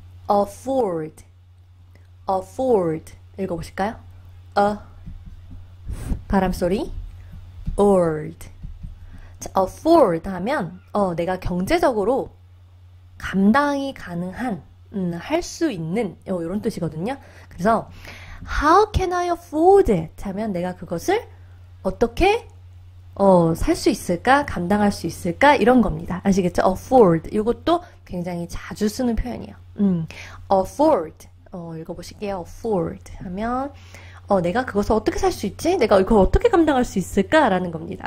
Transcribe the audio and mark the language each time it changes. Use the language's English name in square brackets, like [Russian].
[Korean] afford. afford. 읽어보실까요? 바람소리. old. 자, afford 하면, 내가 경제적으로 감당이 가능한, 할수 있는, 요런 뜻이거든요. [English] 그래서, how can I afford it? [Korean] 하면 내가 그것을 어떻게 살수 있을까? 감당할 수 있을까? 이런 겁니다. 아시겠죠? afford. 이것도 굉장히 자주 쓰는 표현이에요. afford. 읽어보실게요. afford 하면 내가 그것을 어떻게 살수 있지? 내가 이걸 어떻게 감당할 수 있을까라는 겁니다.